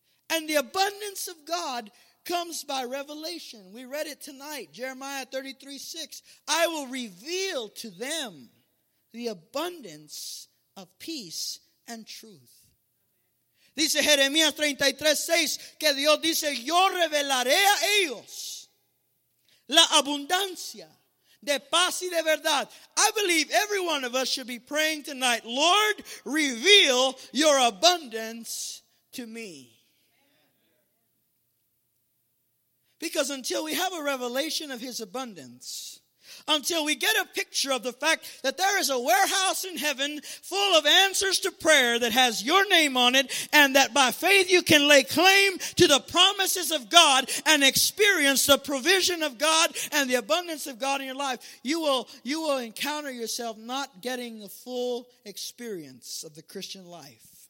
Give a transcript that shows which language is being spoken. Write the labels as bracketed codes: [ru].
[en] And the abundance of God comes by revelation. We read it tonight, Jeremiah 33:6. I will reveal to them the abundance of peace and truth. [es] Dice Jeremías 33:6 que Dios dice, yo revelaré a ellos la abundancia de paz y de verdad. [en] I believe every one of us should be praying tonight, Lord, reveal your abundance to me. Because until we have a revelation of His abundance, until we get a picture of the fact that there is a warehouse in heaven full of answers to prayer that has your name on it, and that by faith you can lay claim to the promises of God and experience the provision of God and the abundance of God in your life, you will encounter yourself not getting the full experience of the Christian life.